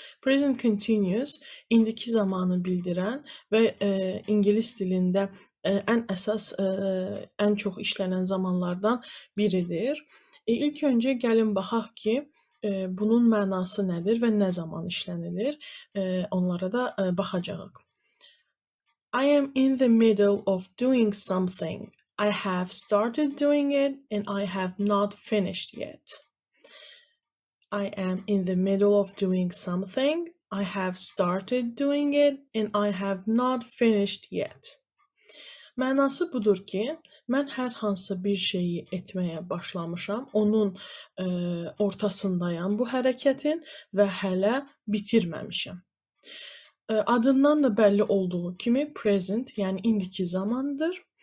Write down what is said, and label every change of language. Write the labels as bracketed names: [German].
[Azerbaijani] Present Continuous, indiki zamanı bildiren ve İngiliz dilinde en esas, en çok işlenen zamanlardan biridir. İlk önce gelin bakalım ki bunun manası nedir ve ne zaman işlenilir? Onlara da bakacağız. [English] I am in the middle of doing something. I have started doing it and I have not finished yet. I am in the middle of doing something. I have started doing it and I have not finished yet. [Azerbaijani] Mənası budur ki, mən hər hansı bir şeyi etməyə başlamışam, onun ortasındayam bu hərəkətin və hələ bitirməmişəm. Adından da bəlli olduğu kimi present, yəni indiki zamandır.